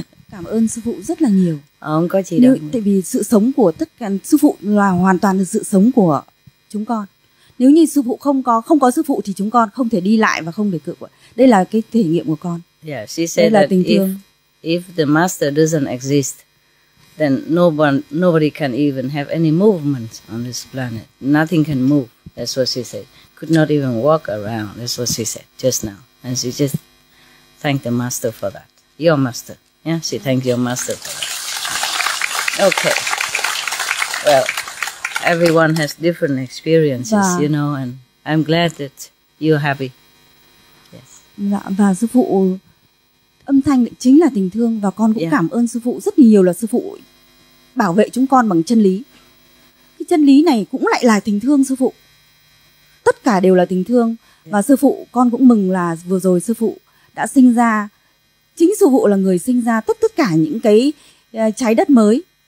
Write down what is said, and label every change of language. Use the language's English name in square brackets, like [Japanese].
[Vietnamese] Cảm ơn sư phụ rất là nhiều. Không có gì đâu. Tại vì sự sống của tất cả sư phụ là hoàn toàn là sự sống của chúng con. Nếu như sư phụ không có sư phụ thì chúng con không thể đi lại và không thể cự. Đây là cái thể nghiệm của con. [English] Yeah, she said [Vietnamese] là tình thương. [English] If the master doesn't exist, then nobody can even have any movement on this planet. Nothing can move. That's what she said. Could not even walk around. That's what she said just now. And she just thanked the master for that. Your master. Yeah, she thanked your master for that. Okay. Well, everyone has different experiences, và, you know, and I'm glad that you're happy. Yes. [Vietnamese] Và sư phụ, âm thanh chính là tình thương và con cũng cảm ơn sư phụ rất nhiều là sư phụ bảo vệ chúng con bằng chân lý. Cái chân lý này cũng lại là tình thương sư phụ. Tất cả đều là tình thương. Và sư phụ, con cũng mừng là vừa rồi sư phụ đã sinh ra, chính sư phụ là người sinh ra tất cả những cái trái đất mới.